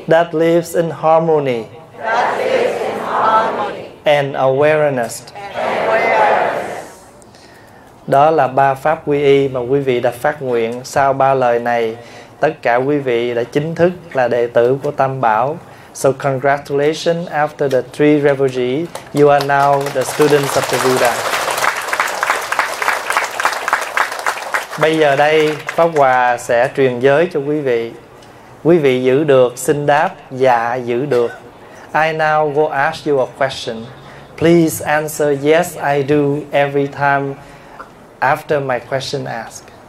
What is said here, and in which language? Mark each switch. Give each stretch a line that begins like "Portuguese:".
English: that lives in harmony, and awareness.
Vietnamese: Đó là ba pháp quy y mà quý vị đã phát nguyện. Sau ba lời này, tất cả quý vị đã chính thức là đệ tử của Tam Bảo.
English: So congratulations, after the three refugees, you are now the students of the Buddha.
Vietnamese: Bây giờ đây, Pháp Hòa sẽ truyền giới cho quý vị. Quý vị giữ được, xin đáp, dạ giữ được.
English: I now will ask you a question. Please answer yes I do every time after my question ask.